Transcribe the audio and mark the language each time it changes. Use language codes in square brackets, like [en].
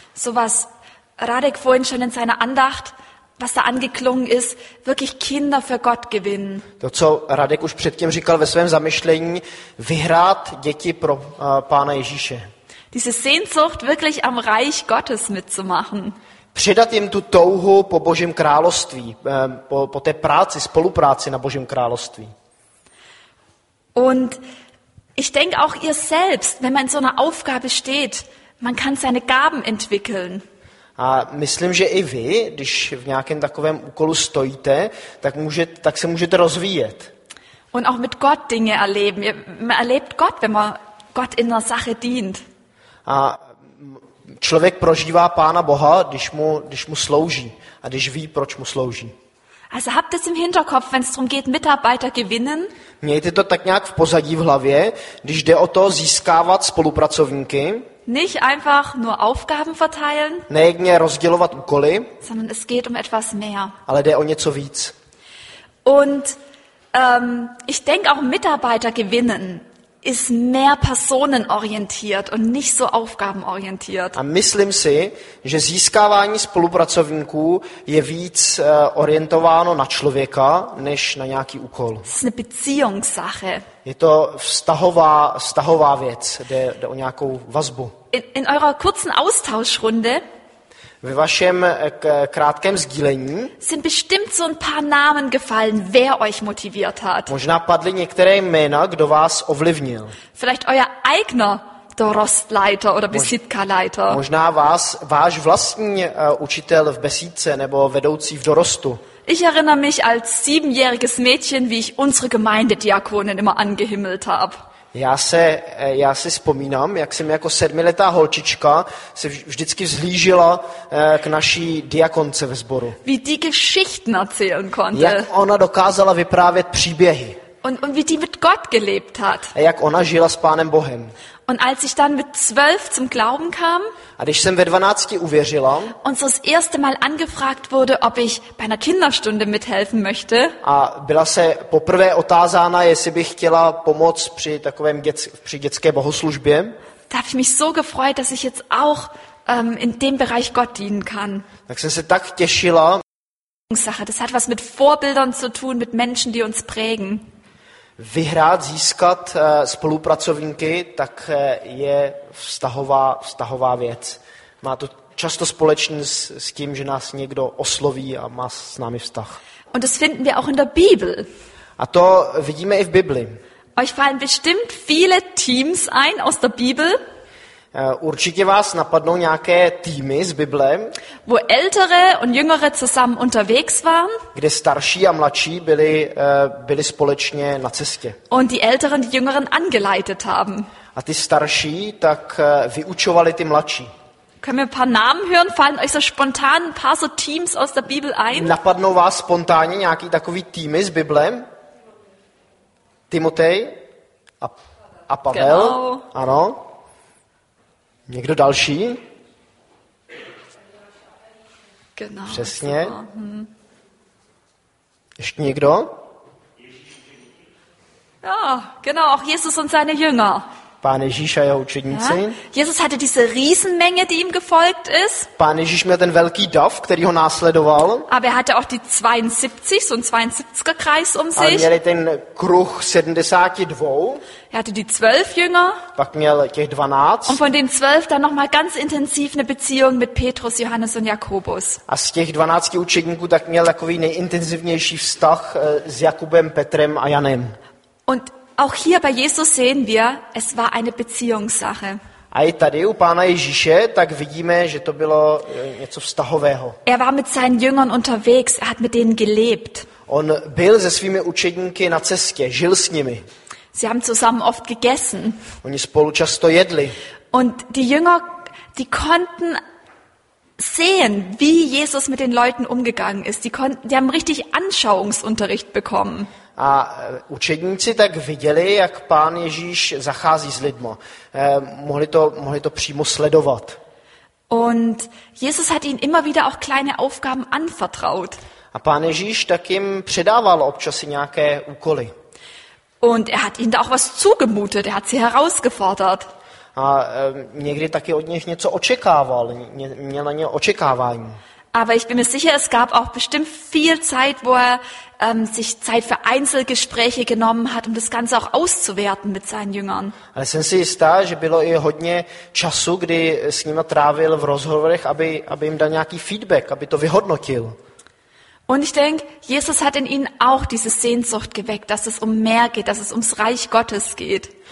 [de] So was Radek vorhin schon in seiner Andacht, was da angeklungen ist, wirklich Kinder für Gott gewinnen. [cs] To, co Radek už předtím říkal ve svém zamyšlení, vyhrát děti pro Pána Ježíše. [de] Diese Sehnsucht wirklich am Reich Gottes mitzumachen. [cs] Předat jim tu touhu po Božím království, po té práci, spolupráci na Božím království. [de] Und ich denke auch ihr selbst, wenn man in so einer Aufgabe steht, man kann seine Gaben entwickeln. [cs] A myslím, že i vy, když v nějakém takovém úkolu stojíte, tak tak se můžete rozvíjet. [de] Und auch mit Gott Dinge erleben. Man erlebt Gott, wenn man Gott in einer Sache dient. [cs] A člověk prožívá Pána Boha, když mu slouží a když ví, proč mu slouží. [de] Also habt es im Hinterkopf, wenn es darum geht, Mitarbeiter gewinnen. [cs] Mějte to tak nějak v pozadí v hlavě, když jde o to získávat spolupracovníky. [de] Nicht einfach nur Aufgaben verteilen. [cs] Nejedně rozdělovat úkoly. [de] Sondern es geht um etwas mehr. [cs] Ale jde o něco víc. [de] Und ich denke auch Mitarbeiter gewinnen ist mehr personenorientiert und nicht so aufgabenorientiert. [cs] A myslím si, že získávání spolupracovníků je víc orientováno na člověka než na nějaký úkol. [de] Es ist eine Beziehungssache. [cs] Je to vztahová věc, jde o nějakou vazbu. [de] In eurer kurzen Austauschrunde [cs] ve vašem krátkém sdílení [de] sind bestimmt so ein paar Namen gefallen, wer euch motiviert hat. [cs] Možná padly některé jména, kdo vás ovlivnil. [de] Vielleicht euer eigener Dorostleiter oder Besitka-Leiter. [cs] Možná váš vlastní učitel v besídce nebo vedoucí v dorostu. [de] Ich erinnere mich als siebenjähriges Mädchen, wie ich unsere Gemeindediakonin immer angehimmelt habe. [cs] Já si vzpomínám, jak jsem jako sedmiletá holčička se vždycky vzhlížila k naší diakonce ve sboru. [de] Wie die Geschichten erzählen konnte. [cs] Jak ona dokázala vyprávět příběhy. [de] Und wie die mit Gott gelebt hat. [cs] A jak ona žila s Pánem Bohem. [de] Und als ich dann mit 12 zum Glauben kam, [cs] a když jsem ve 12 uvěřila, [de] und so das erste Mal angefragt wurde, ob ich bei einer Kinderstunde mithelfen möchte, [cs] a byla se poprvé otázána, jestli bych chtěla pomoct při takovém při dětské bohoslužbě, [de] da habe ich mich so gefreut, dass ich jetzt auch in dem Bereich Gott dienen kann. [cs] Tak jsem se tak těšila. [de] Das hat was mit Vorbildern zu tun, mit Menschen, die uns prägen. [cs] Vyhrát, získat spolupracovníky, tak je vztahová věc. Má to často společný s tím, že nás někdo osloví a má s námi vztah. [de] Und das finden wir auch in der Bibel. [cs] A to vidíme i v Bibli. [de] Euch fallen bestimmt viele Teams ein aus der Bibel. [cs] Určitě vás napadnou nějaké týmy z Bible, [de] wo ältere und jüngere zusammen unterwegs waren, [cs] kde starší a mladší byli společně na cestě. [de] Und die älteren die jüngeren angeleitet haben. [cs] A ty starší tak vyučovali ty mladší. [de] Können wir ein paar Namen hören? Fallen euch so spontan ein paar so Teams aus der Bibel ein? [cs] Napadnou vás spontánně nějaký takový týmy z Bible? Timotej a Pavel? [de] Genau. [cs] Ano. Někdo další? [de] Genau. [cs] Přesně. Ještě někdo? [de] Ja, genau, auch Jesus und seine Jünger. [cs] Pán Ježíš a jeho učedníci. [de] Jesus hatte diese Riesenmenge, die ihm gefolgt ist. [cs] Pán Ježíš měl ten velký dav, který ho následoval. [de] Aber er hatte auch die 72, so ein 72er Kreis um sich. [cs] A měli ten kruh 72. [de] Er hatte die 12 Jünger. [cs] Pak měl těch 12. [de] Und von den 12 dann nochmal ganz intensiv eine Beziehung mit Petrus, Johannes und Jakobus. [cs] A z těch 12 učedníků tak měl takový nejintenzivnější vztah s Jakubem, Petrem a Janem. [de] Und auch hier bei Jesus sehen wir, es war eine Beziehungssache. [cs] A i tady u Pána Ježíše, tak vidíme, že to bylo něco vztahového. [de] Er war mit seinen Jüngern unterwegs, er hat mit denen gelebt. [cs] On byl se svými učedníky na cestě, žil s nimi. [de] Sie haben zusammen oft gegessen. [cs] Oni spolu často jedli. [de] Und die Jünger, die konnten sehen, wie Jesus mit den Leuten umgegangen ist. Die haben richtig Anschauungsunterricht bekommen. [cs] A učedníci tak viděli, jak Pán Ježíš zachází s lidmi. Mohli to přímo sledovat. [de] Und Jesus hat ihnen immer wieder auch kleine Aufgaben anvertraut. [cs] A Pán Ježíš tak jim předával občas i nějaké úkoly. [de] Und er hat ihnen da auch was zugemutet, er hat sie herausgefordert. [cs] A někdy taky od nich něco očekával, měl na ně očekávání. [de] Aber ich bin mir sicher, es gab auch bestimmt viel Zeit, wo er sich Zeit für Einzelgespräche genommen hat, um das Ganze auch auszuwerten mit seinen Jüngern. [cs] Ale jsem si jistá, že bylo i hodně času, kdy s nimi trávil v rozhovorech, aby jim dal nějaký feedback, aby to vyhodnotil. [de] Und ich denke, Jesus hat in ihnen auch diese Sehnsucht geweckt, dass es um mehr geht, dass es ums Reich Gottes geht.